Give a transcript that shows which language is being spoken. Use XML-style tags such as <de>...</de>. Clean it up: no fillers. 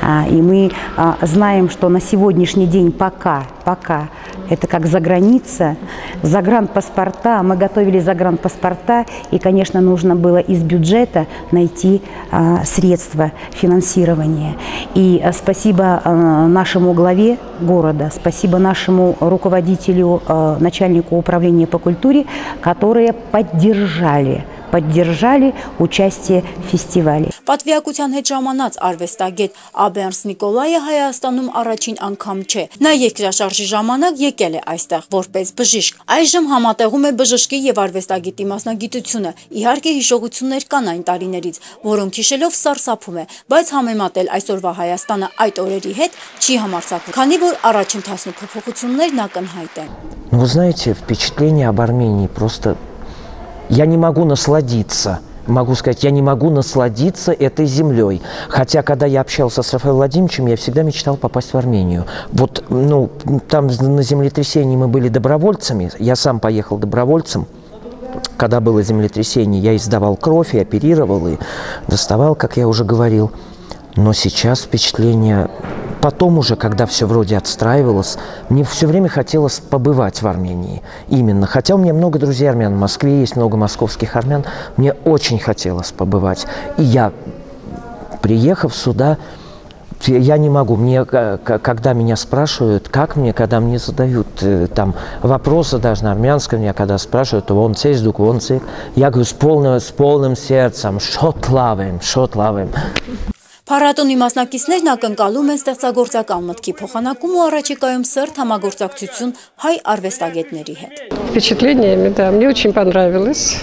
<ru>И мы знаем, что на сегодняшний день пока это как за граница, загранпаспорта, мы готовили загранпаспорта, и, конечно, нужно было из бюджета найти средства финансирования. И спасибо нашему главе города, спасибо нашему руководителю, начальнику управления по культуре, которые поддержали участие в фестивале.</ru> <hy>Պատվիրակության հետ ժամանած արվեստագետ Աբերս Նիկոլայը Հայաստանում առաջին անգամ չէ։ Նա երկրաշարժի ժամանակ եկել է այստեղ որպես բժիշկ։ Այժմ համատեղում է բժշկի և արվեստագետի մասնագիտությունը։ Իհարկե հիշողություններ կան այն տարիներից, որոնք հիշելով սարսափում է, բայց համեմատել այսօրվա Հայաստանը այդ օրերի հետ չի համարձակվում, քանի որ առաջընթացն ու փոփոխություններն ակնհայտ են։</hy> <ru>Ну, знаете, впечатление об Армении просто я не могу насладиться. Могу сказать, я не могу насладиться этой землей. Хотя, когда я общался с Рафаэлом Владимировичем, я всегда мечтал попасть в Армению. Вот, ну, там на землетрясении мы были добровольцами. Я сам поехал добровольцем. Когда было землетрясение, я издавал кровь и оперировал, и доставал, как я уже говорил. Но сейчас впечатление... Потом уже, когда все вроде отстраивалось, мне все время хотелось побывать в Армении. Именно. Хотя у меня много друзей армян. В Москве есть много московских армян. Мне очень хотелось побывать. И я, приехав сюда, я не могу. Мне, когда меня спрашивают, как мне, когда мне задают там вопросы даже на армянском, меня когда спрашивают,</ru> <hy>вон цей сдук, вон цей.</hy> <ru>Я говорю с полным сердцем.</ru> <hy>Шот лавим. Փառատոնի մասնակիցներն ակնկալում են ստեղծագործական մտքի փոխանակում ու առաջիկայում սերտ համագործակցություն հայ արվեստագետների հետ։</hy> <ru>Впечатление, да, мне очень понравилось.</ru>